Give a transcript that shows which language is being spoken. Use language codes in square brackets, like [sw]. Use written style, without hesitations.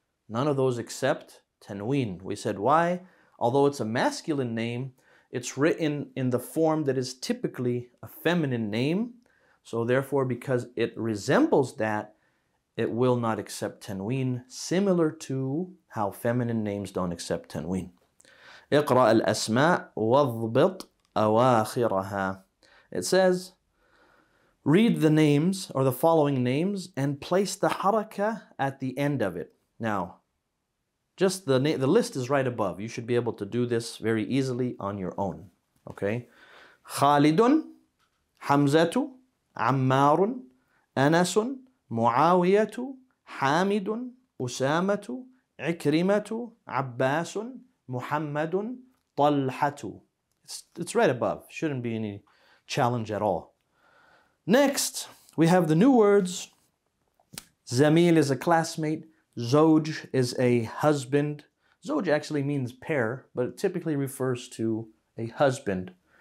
[en] None of those accept tanween. We said why? Although it's a masculine name, it's written in the form that is typically a feminine name. So therefore, because it resembles that, it will not accept tanween, similar to how feminine names don't accept tanween. [ar] اقرأ الأسماء واضبط أواخرها. [en] It says, read the names or the following names and place the haraka at the end of it. Now, just the list is right above. You should be able to do this very easily on your own. Okay? [ar] خالدٌ حمزةُ عمارٌ أنسٌ معاويةُ حامدٌ أسامةُ عكرمةُ عباسٌ محمدٌ طلحةُ. [en] It's right above. Shouldn't be any challenge at all. Next, we have the new words. زميل is a classmate. Zawj is a husband. Zawj actually means pair, but it typically refers to a husband.